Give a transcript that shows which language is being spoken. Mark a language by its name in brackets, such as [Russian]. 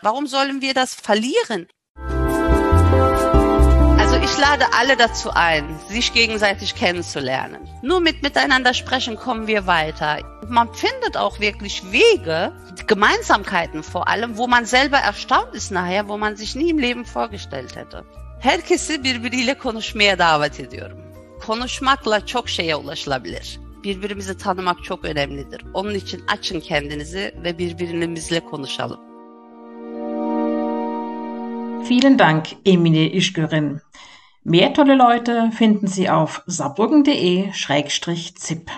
[German] Warum sollen wir das verlieren? Also ich lade alle dazu ein, sich gegenseitig kennenzulernen. Nur mit miteinander sprechen kommen wir weiter. Man findet auch wirklich Wege, Gemeinsamkeiten vor allem, wo man selber erstaunt ist nachher, wo man sich nie im Leben vorgestellt hätte. [Turkish] Herkesi birbiriyle konuşmaya davet ediyorum. Konuşmakla çok şeye ulaşılabilir. Birbirimizi tanımak çok önemlidir. Onun için açın kendinizi ve birbirimizle konuşalım. [German] Vielen Dank, Emine Işgören. Mehr tolle Leute finden Sie auf saarbrücken.de/zip.